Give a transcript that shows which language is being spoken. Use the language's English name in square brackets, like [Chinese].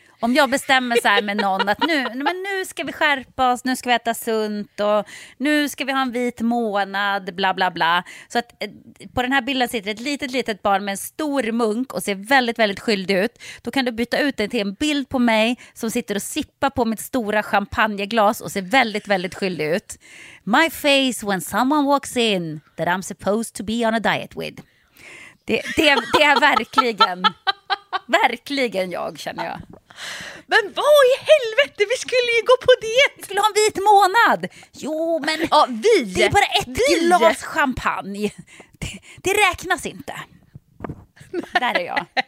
[Swedish] Om jag bestämmer så här med någon att nu ska vi skärpa oss, nu ska vi äta sunt och nu ska vi ha en vit månad, bla bla bla. Så att på den här bilden sitter ett litet barn med en stor munk och ser väldigt, väldigt skyldig ut. Då kan du byta ut den till en bild på mig som sitter och sippar på mitt stora champagneglas och ser väldigt, väldigt skyldig ut. [English] My face when someone walks in that I'm supposed to be on a diet with. [Swedish] Det är verkligen, verkligen jag, känner jag. Men vad i helvete, vi skulle ju gå på diet. Vi skulle ha en vit månad. Jo, men ja, vi. Det är bara ett glas champagne. Det räknas inte. Nej. Där är jag.